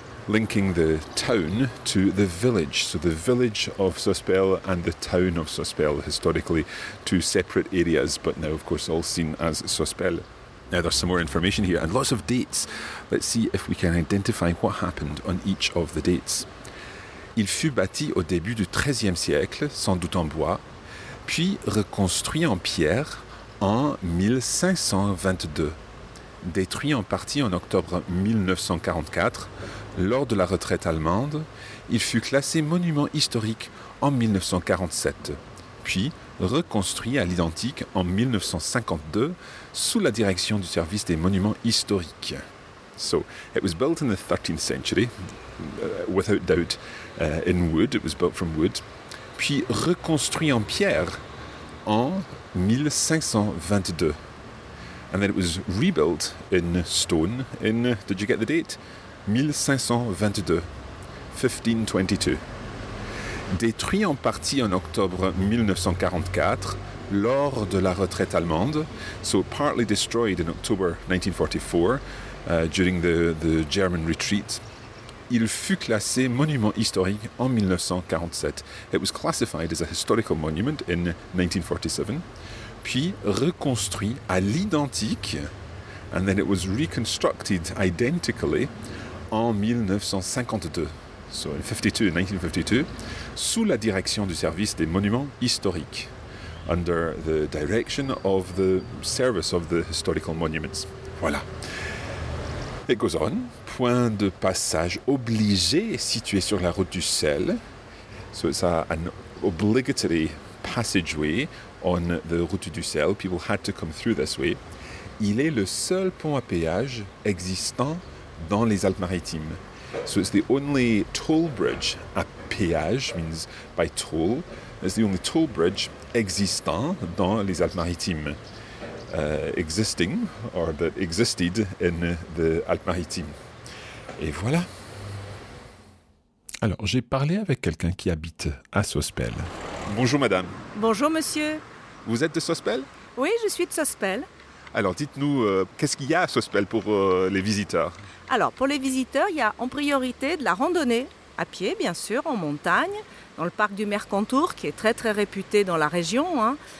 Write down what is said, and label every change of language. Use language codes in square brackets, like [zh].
[en] linking the town to the village. So the village of Sospel and the town of Sospel, historically two separate areas, but now, of course, all seen as Sospel. Now, there's some more information here and lots of dates. Let's see if we can identify what happened on each of the dates. [fr] Il fut bâti au début du XIIIe siècle, sans doute en bois, puis reconstruit en pierre en 1522. Détruit en partie en octobre 1944, lors de la retraite allemande, il fut classé monument historique en 1947, puis reconstruit à l'identique en 1952 sous la direction du service des monuments historiques. [en] So, it was built in the 13th century, without doubt, in wood, it was built from wood, [fr] puis reconstruit en pierre en 1522. [en] And then it was rebuilt in stone in, did you get the date? 1522. 1522. [fr] Détruit en partie en octobre 1944, lors de la retraite allemande. [en] So partly destroyed in October 1944, during the German retreat. [fr] Il fut classé monument historique en 1947. [en] It was classified as a historical monument in 1947. [fr] Puis reconstruit à l'identique, [en] and then it was reconstructed identically, [fr] en 1952. [en] So in 52, 1952, [fr] sous la direction du service des monuments historiques, [en] under the direction of the service of the historical monuments. Voilà. It goes on. [fr] Point de passage obligé situé sur la route du sel. [en] So it's an obligatory passageway on the route du sel. People had to come through this way. [fr] Il est le seul pont à péage existant dans les Alpes-Maritimes. [en] So it's the only toll bridge. À péage means by toll. It's the only toll bridge [fr] existant dans les Alpes-Maritimes. [en] Existing, or that existed in the Alpes-Maritimes. [fr] Et voilà. Alors, j'ai parlé avec quelqu'un qui habite à Sospel. Bonjour, madame. Bonjour, monsieur. Vous êtes de Sospel? Oui, je suis de Sospel. Alors, dites-nous, qu'est-ce qu'il y a à Sospel pour les visiteurs? Alors, pour les visiteurs, il y a en priorité de la randonnée, à pied, bien sûr, en montagne, dans le parc du Mercantour, qui est très, très réputé dans la région, hein.